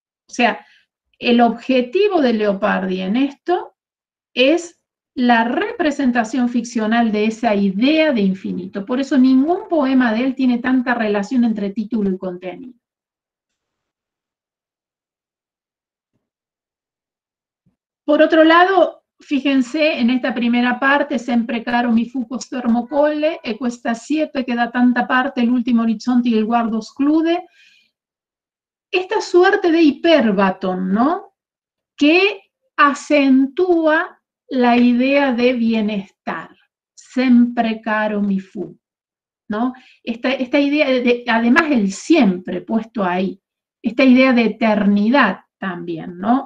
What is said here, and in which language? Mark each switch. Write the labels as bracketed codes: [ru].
[es] O sea, el objetivo de Leopardi en esto es la representación ficcional de esa idea de infinito. Por eso ningún poema de él tiene tanta relación entre título y contenido. Por otro lado, fíjense en esta primera parte, [it] sempre caro mi fu questo ermo colle, e questa siepe che da tanta parte, l'ultimo orizzonte e il guardo sclude. [es] Esta suerte de hiperbaton, ¿no? Que acentúa la idea de bienestar, [it] sempre caro mi fu, [es] ¿no? Esta idea, además el siempre puesto ahí, esta idea de eternidad también, ¿no?